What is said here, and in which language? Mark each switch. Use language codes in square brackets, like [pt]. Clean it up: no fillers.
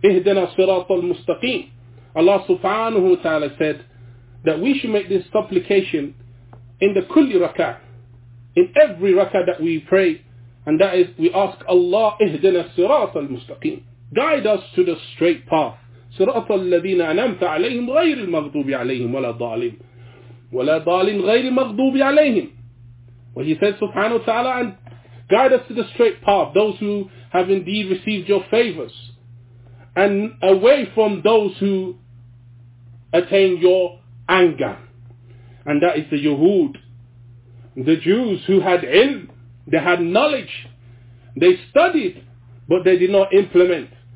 [ar] اِهْدَنَا صِرَاطَ الْمُسْتَقِيمِ. [en] Allah subhanahu wa ta'ala said that we should make this supplication in the kulli rak'ah, in every rak'ah that we pray, and that is we ask Allah, [ar] اهدنا الصراط المستقيم, [en] guide us to the straight path. [ar] صراط الذين أنعمت عليهم غير المغضوب عليهم ولا ضالين ولا ضالين غير المغضوب عليهم. [en] What he said subhanahu wa ta'ala, and guide us to the straight path, those who have indeed received your favors, and away from those who attain your anger. And that is the Yahud. The Jews who had ilm, they had knowledge, they studied, but they did not implement.